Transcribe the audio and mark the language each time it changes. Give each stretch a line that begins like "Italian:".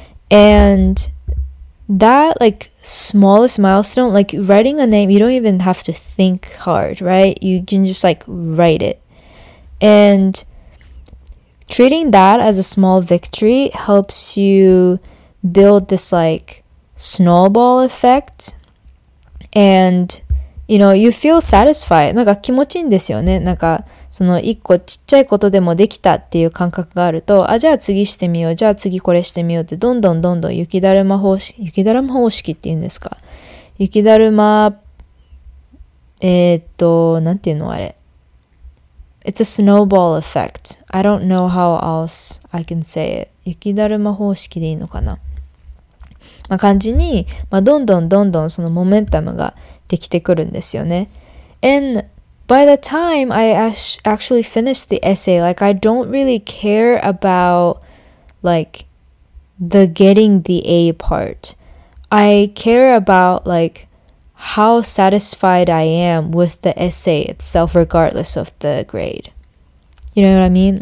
English: And that, like, smallest milestone, like writing a name, you don't even have to think hard, right? You can just like write it. And treating that as a small victory helps you build this like snowball effect. And you feel satisfied.
Japanese: なんか気持ちいいんですよね。なんか、その一個ちっちゃいことでもできたっていう感覚があると、あ、じゃあ次してみよう、じゃあ次これしてみようって、どんどんどんどん雪だるま方式、雪だるま方式っていうんですか。雪だるま、なんていうのあれ。
English: It's a snowball effect. I don't know how else I can say it.
Japanese: 雪だるま方式でいいのかな。まあ、感じに、まあ、どんどんどんどんそのモメンタムができてくるんですよね。
English: And by the time I actually finish the essay, like, I don't really care about like the getting the A part. I care about like how satisfied I am with the essay itself, regardless of the grade. You know what I mean?